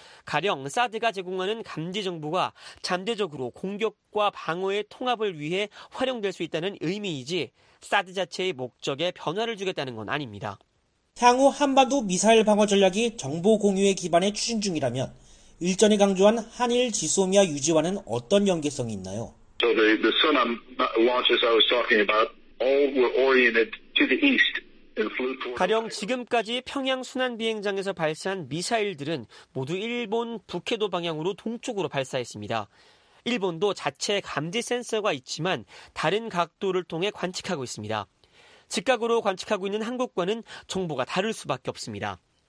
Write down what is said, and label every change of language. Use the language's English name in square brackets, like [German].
[Korean] 가령 사드가 제공하는 감지 정보가 잠재적으로 공격과 방어의 통합을 위해 활용될 수 있다는 의미이지 사드 자체의 목적에 변화를 주겠다는 건 아닙니다. 향후 한반도 미사일 방어 전략이 정보 공유에 기반해 추진 중이라면 일전에 강조한 한일 지소미아 유지와는 어떤 연계성이 있나요? [English] So the sun launches I was talking about all were oriented to the east. [Korean] 가령 지금까지 평양 순환 비행장에서 발사한 미사일들은 모두 일본 북해도 방향으로 동쪽으로 발사했습니다. 일본도 자체 감지 센서가 있지만 다른 각도를 통해 관측하고 있습니다. 즉각으로 관측하고 있는 한국과는 정보가 다를 수밖에 없습니다.